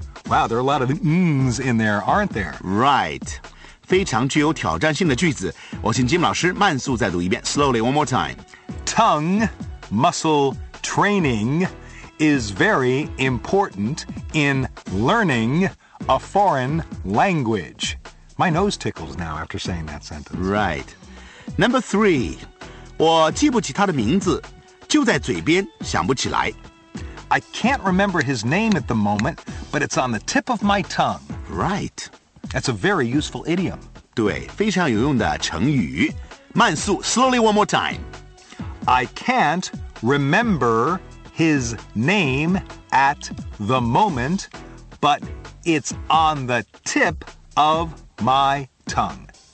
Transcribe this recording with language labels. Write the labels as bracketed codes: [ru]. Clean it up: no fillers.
[en] Wow, there are a lot of ns in there, aren't there? Right. [zh] 非常具有挑战性的句子，我请金老师慢速再读一遍。 [en] Slowly, one more time. Tongue muscle training is very important in learning a foreign language. My nose tickles now after saying that sentence. Right. Number three. [zh] 我记不起他的名字，就在嘴边，想不起来。 [en] I can't remember his name at the moment, but it's on the tip of my tongue. Right. That's a very useful idiom. [zh] 对，非常有用的成语。慢速 [en] slowly one more time. I can't remember his name at the moment, but it's on the tip of my tongue.